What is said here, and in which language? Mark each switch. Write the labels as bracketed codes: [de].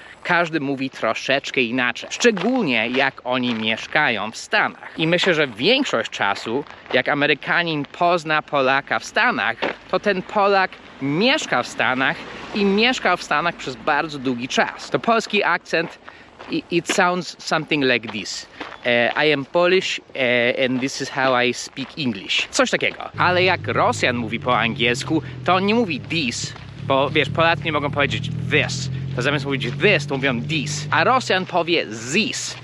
[pl] Każdy mówi troszeczkę inaczej. Szczególnie jak oni mieszkają w Stanach. I myślę, że większość czasu, jak Amerykanin pozna Polaka w Stanach, to ten Polak mieszka w Stanach i mieszkał w Stanach przez bardzo długi czas. To polski akcent, [en] it sounds something like this. I am Polish and this is how I speak English. [pl] Coś takiego. Ale jak Rosjan mówi po angielsku, to on nie mówi this, bo wiesz, Polacy nie mogą powiedzieć this. To zamiast mówić this, to mówią this. A Rosjan powie this.